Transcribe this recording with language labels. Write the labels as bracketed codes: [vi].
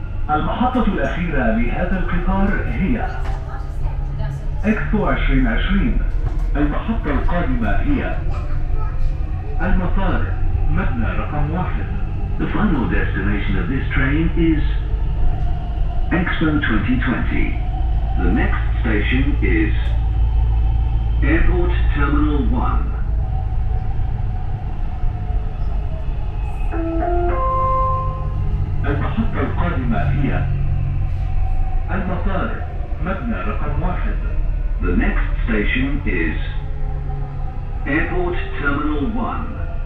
[ar] المحطة الأخيرة لهذا القطار هي إكسبو 2020. المحطة القادمة هي المطار مبنى رقم 1. [en] The final destination of this train is Expo 2020. The next station is Airport Terminal 1. [ar] المحطة القادمة هي المطار مبنى رقم 1. [en] The next station is Airport Terminal 1.